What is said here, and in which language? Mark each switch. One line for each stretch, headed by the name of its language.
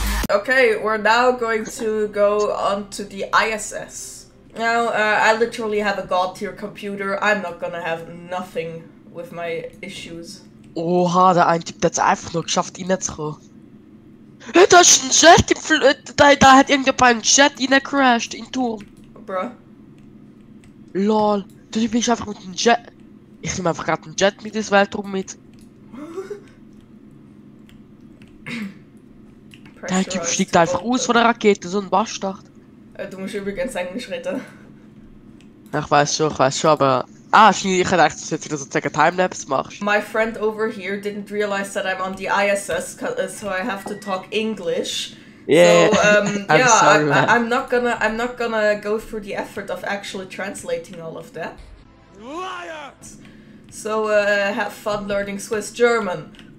English: Okay, we're now going to go on to the ISS. Now, I literally have a god-tier computer. I'm not gonna have nothing with my issues.
German: Oha, der ein Typ, der hat's einfach nur geschafft, ihn nicht zu. Hey, da ist ein Jet, da hat irgendein Jet in der crashed, in Turm. Bruh. Lol, der Typ ist einfach mit dem Jet. Ich nehme einfach gerade einen Jet mit ins Weltraum mit. Der Typ fliegt einfach aus von der Rakete, so ein Bastard. Du musst übrigens Englisch reden. Ich weiß schon, aber... Ah, ich hätte gedacht, dass du jetzt wieder so ein Timelapse machst.
English: My friend over here didn't realize that I'm on the ISS, so I have to talk English. Yeah, so, I'm sorry, man. I'm not gonna go through the effort of actually translating all of that. Liar! So, have fun learning Swiss German.